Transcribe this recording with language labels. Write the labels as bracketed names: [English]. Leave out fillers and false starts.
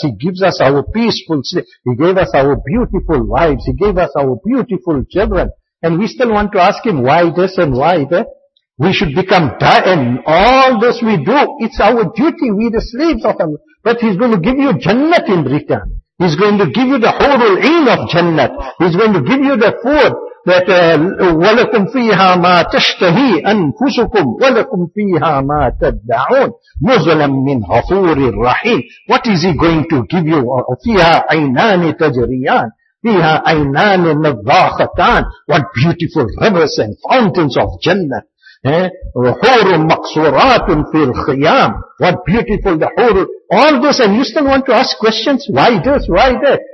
[English] He gives us our peaceful sleep. He gave us our beautiful wives. He gave us our beautiful children. And we still want to ask him why this and why that. We should become and all this we do, it's our duty, we the slaves of Allah. But he's going to give you Jannat in return. He's going to give you the Hurul Ain of Jannat. He's going to give you the food that [Arabic] وَلَكُمْ فِيهَا مَا تَشْتَهِي أَنْفُسُكُمْ وَلَكُمْ فِيهَا مَا تَدَّعُونَ مُزْلَمْ مِنْ حَفُورِ الرَّحِيمِ. [English] What is he going to give you? [Arabic] فِيهَا عَيْنَانِ تَجْرِيَانِ. فِيهَا عَيْنَانِ نَضَّاخَتَانِ. [English] What beautiful rivers and fountains of Jannat. [Arabic] Hurum maqsuratun fil khiyam. [English] What beautiful the hurum. All this, and you still want to ask questions? Why this? Why that?